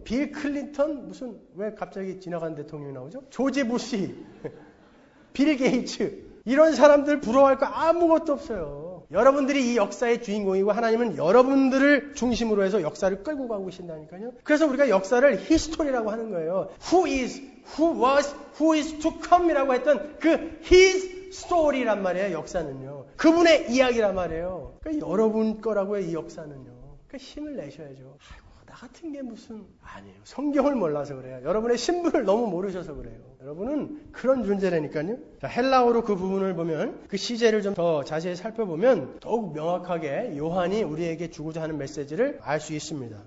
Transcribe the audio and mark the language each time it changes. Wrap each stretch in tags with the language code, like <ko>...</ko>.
<ko>빌 클린턴, 무슨 왜 갑자기 지나간 대통령이 나오죠? 조지 부시, 빌 게이츠 이런 사람들 부러워할 거 아무것도 없어요. 여러분들이 이 역사의 주인공이고 하나님은 여러분들을 중심으로 해서 역사를 끌고 가고 계신다니까요. 그래서 우리가 역사를 히스토리라고 하는 거예요.</ko> <en>Who is, who was, who is to come</en> <ko>이라고 했던 그</ko> <en>his story란</en> <ko>말이에요. 역사는요, 그분의 이야기란 말이에요. 그러니까 여러분 거라고요 이 역사는요. 그러니까 힘을 내셔야죠. 나 같은 게 무슨, 아니에요. 성경을 몰라서 그래요. 여러분의 신분을 너무 모르셔서 그래요. 여러분은 그런 존재라니까요. 자, 헬라어로 그 부분을 보면 그 시제를 좀 더 자세히 살펴보면 더욱 명확하게 요한이 우리에게 주고자 하는 메시지를 알 수 있습니다.</ko>